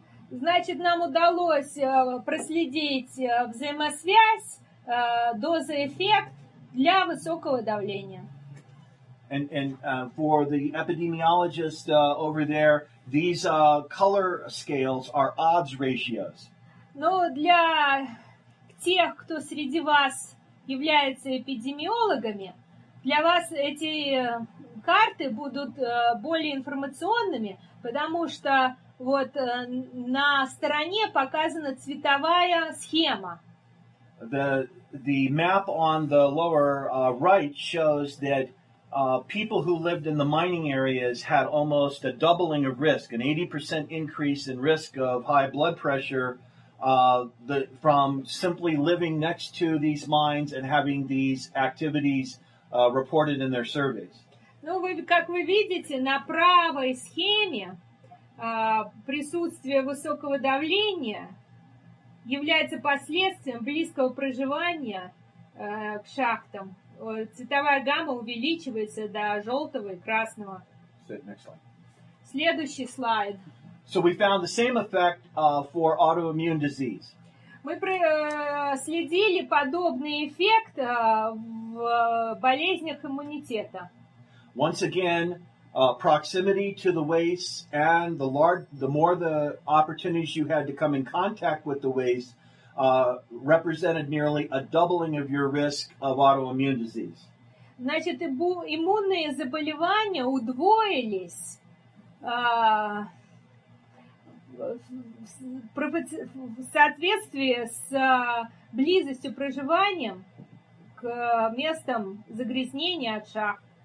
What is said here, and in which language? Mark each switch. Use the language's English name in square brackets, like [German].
[Russian] Значит, нам удалось проследить взаимосвязь, доза-эффект для высокого давления. [English] for the epidemiologist over there, these color scales are odds ratios. [Russian] Но для тех, кто среди вас является эпидемиологами, для вас эти карты будут более информационными, потому что вот на стороне показана цветовая схема. [English] The map on the lower right shows that people who lived in the mining areas had almost a doubling of risk, an 80% increase in risk of high blood pressure from simply living next to these mines and having these activities reported in their surveys. [Russian] Ну, вы, как вы видите, на правой схеме присутствие высокого давления является последствием близкого проживания к шахтам. Цветовая гамма увеличивается до желтого и красного. Следующий слайд. [English] So we found the same effect for autoimmune disease. [Russian] Мы следили подобный эффект в болезнях иммунитета. [English] Once again, proximity to the waste and the more the opportunities you had to come in contact with the waste represented nearly a doubling of your risk of autoimmune disease. [Russian] Значит, иммунные заболевания удвоились в соответствии с близостью проживания к местам загрязнения от шахт.